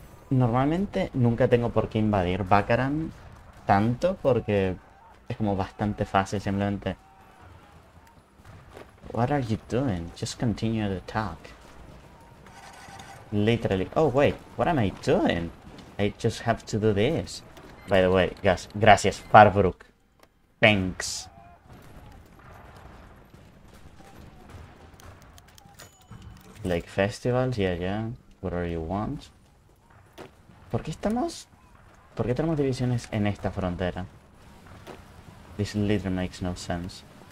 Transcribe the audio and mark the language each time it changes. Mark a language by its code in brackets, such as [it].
[es] normalmente nunca tengo por qué invadir Bacaran tanto, porque es como bastante fácil simplemente. [en] What are you doing? Just continue the attack. Literally. Oh, wait. What am I doing? I just have to do this. By the way, guys, gracias, Farbrook. Thanks. Like festivals, yeah. Whatever you want. [es] ¿Por qué estamos? ¿Por qué tenemos divisiones en esta frontera? [en] This literally makes no sense.